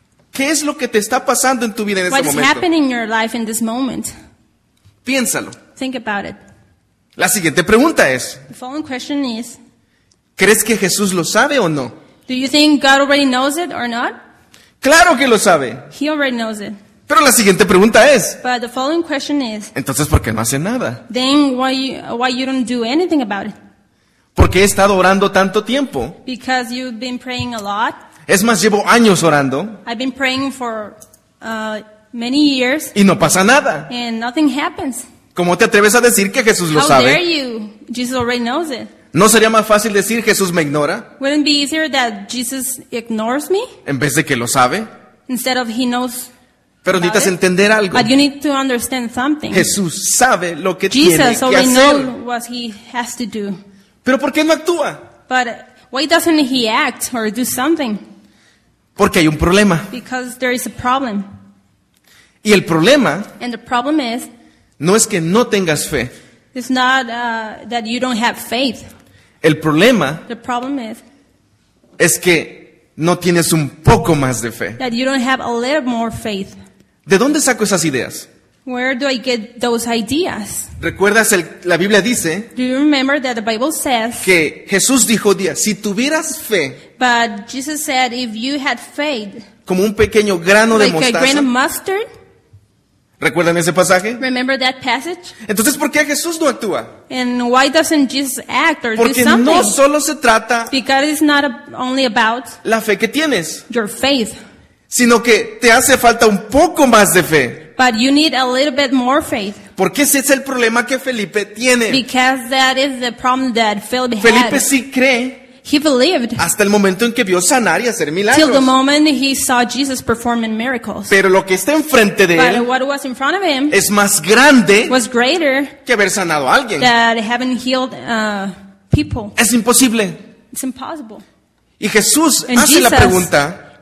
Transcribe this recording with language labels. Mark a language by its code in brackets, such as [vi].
[es] ¿Qué es lo que te está pasando en tu vida en [en] what [es] este momento? [en] What is happening in your life in this moment? [es] Piénsalo. [en] Think about it. [es] La siguiente pregunta es. [en] The following question is. [es] ¿Crees que Jesús lo sabe o no? [en] Do you think God already knows it or not? [es] Claro que lo sabe. [en] He already knows it. [es] Pero la siguiente pregunta es. [en] But the following question is. [es] Entonces, ¿por qué no hace nada? [en] Then why you don't do anything about it? [es] Porque he estado orando tanto tiempo. [en] Because you've been praying a lot. [es] Es más, llevo años orando. [en] I've been praying for many years. [es] Y no pasa nada. [en] And nothing happens. [es] ¿Cómo te atreves a decir que Jesús lo [en] how [es] sabe? [en] How dare you? Jesus already knows it. [es] ¿No sería más fácil decir Jesús me ignora? [en] Wouldn't it be easier that Jesus ignores me? [es] En vez de que lo sabe. [en] Instead of he knows. [es] Pero necesitas [en] it. [es] Entender algo. [en] But you need to understand something. [es] Jesús sabe lo que [en] Jesus [es] tiene que hacer. [en] Jesus already knows what he has to do. [es] ¿Pero por qué no actúa? [en] But why doesn't he act or do something? [es] Porque hay un problema. [en] Because there is a problem. [es] Y el problema. [en] And the problem is. [es] No es que no tengas fe. [en] It's not that you don't have faith. [es] El problema [en] the problem is, [es] es que no tienes un poco más de fe. [en] That you don't have a little more faith. [es] ¿De dónde saco esas ideas? [en] Where do I get those ideas? [es] ¿Recuerdas la Biblia dice? [en] Do you remember that the Bible says [es] que Jesús dijo si tuvieras fe. [en] But Jesus said if you had faith. [es] Como un pequeño grano [en] like [es] de mostaza. [en] Like a grain of mustard. [es] ¿Recuerdan ese pasaje? [en] Remember that passage? [es] Entonces, ¿por qué Jesús no actúa? [en] And why doesn't Jesus act or [es] porque [en] do something? [es] Porque no solo se trata [en] because it's not only about [es] la fe que tienes. [en] Your faith. [es] Sino que te hace falta un poco más de fe. [en] But you need a little bit more faith. [es] Porque ese es el problema que Felipe tiene. [en] Because that is the problem that Philip had. [es] Felipe sí cree. [en] He believed. [es] Hasta el momento en que vio sanar y hacer milagros. [en] Till the moment he saw Jesus performing miracles. [es] Pero lo que está enfrente de [en] but [es] él [en] what was in front of him [es] es más grande [en] was greater [es] que haber sanado a alguien. [en] That haven't healed people. [es] Es imposible. [en] It's impossible. [es] Y Jesús [en] and [es] hace [en] Jesus [es] la pregunta